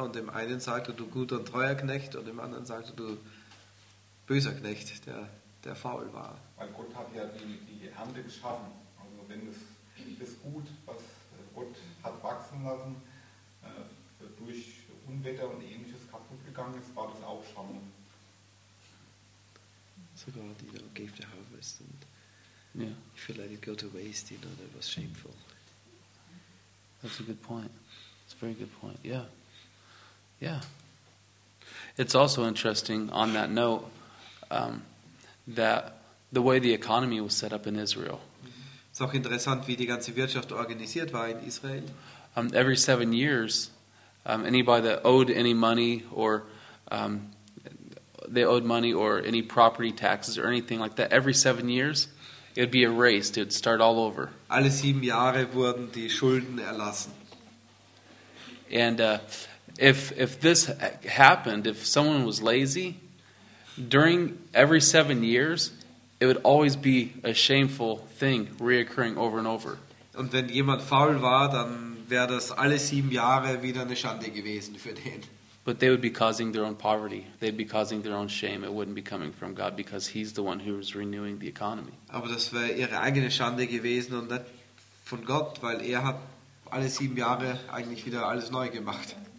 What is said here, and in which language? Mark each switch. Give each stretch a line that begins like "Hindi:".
German: Und dem einen sagt er, du guter und treuer Knecht, und dem anderen sagt er, du böser Knecht, der faul war. Weil Gott hat ja die Ernte geschaffen. Also wenn das Gut, was Gott hat wachsen lassen, durch Unwetter und Ähnliches kaputt gegangen ist, war das auch Schande.
English: So God, you know, gave the harvest and if you let it go to waste, you know, that was shameful. That's a good point. That's a very good point. Yeah. Yeah. It's also interesting on that note that the way the economy was set up in Israel.
German: Ist auch interessant, wie die ganze Wirtschaft organisiert war in Israel.
English: Every 7 years, anybody that owed any money or they owed money or any property taxes or anything like that, every 7 years, it'd be erased. It'd start all over.
German: Alle 7 Jahre wurden die Schulden erlassen.
English: And if this happened, if someone was lazy, during every 7 years, it would always be a shameful thing, reoccurring over and over.
German: Und wenn jemand faul war, dann wäre das alle 7 Jahre wieder eine Schande gewesen für den.
English: But they would be causing their own poverty. They'd be causing their own shame. It wouldn't be coming from God because He's the one who is renewing the economy.
German: Aber das wäre ihre eigene Schande gewesen und nicht von Gott, weil er hat alle 7 Jahre eigentlich wieder alles neu gemacht.